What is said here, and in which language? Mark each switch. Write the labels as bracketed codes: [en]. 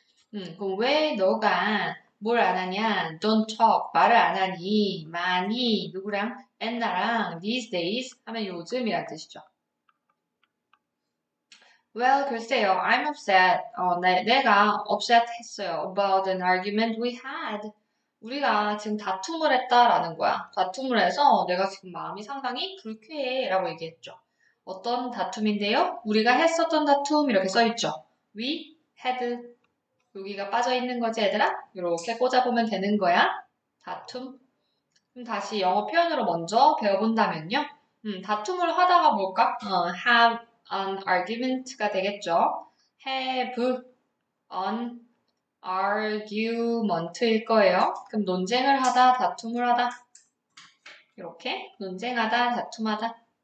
[ko] 그럼 왜 너가 뭘안 하냐? [en] Don't talk, [ko] 말을 안 하니, 많이, 누구랑? 옛날랑 these days 하면 요즘이란 뜻이죠. [en] Well, [ko] 글쎄요, [en] I'm upset. [ko] 내가 upset 했어요. [en] About an argument we had. [ko] 우리가 지금 다툼을 했다라는 거야. 다툼을 해서 내가 지금 마음이 상당히 불쾌해라고 얘기했죠. 어떤 다툼인데요? 우리가 했었던 다툼 이렇게 써있죠. [en] We had. [ko] 여기가 빠져있는 거지, 얘들아? 이렇게 꽂아보면 되는 거야. 다툼. 그럼 다시 영어 표현으로 먼저 배워본다면요. 다툼을 하다가 뭘까? [en] Have an argument [ko] 가 되겠죠. [en] Have an argument [ko] 일 거예요. 그럼 논쟁을 하다, 다툼을 하다. 이렇게 논쟁하다, 다툼하다.